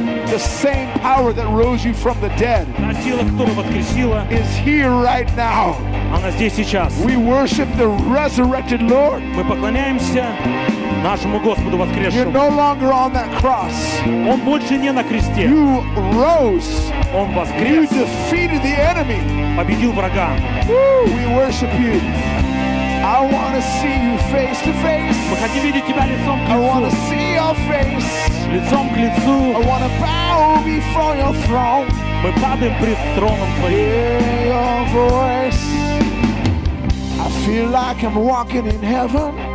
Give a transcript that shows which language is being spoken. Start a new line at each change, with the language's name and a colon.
English: The same power that rose you from the dead.
Russian: Та сила, которая воскресила.
English: Is here right now.
Russian: Она здесь сейчас.
English: We worship the resurrected Lord.
Russian: Мы поклоняемся нашему Господу воскресшему.
English: You're no longer on that cross.
Russian: Он больше не на кресте.
English: You rose.
Russian: Он воскрес.
English: You defeated the enemy.
Russian: Победил врага.
English: We worship you. I want to see you face to face.
Russian: Мы хотим видеть тебя лицом к лицу.
English: I want to see your face.
Russian: Лицом к лицу.
English: I want to bow before your throne.
Russian: Мы падаем пред троном твоим.
English: Hear your voice. I feel like I'm walking in heaven.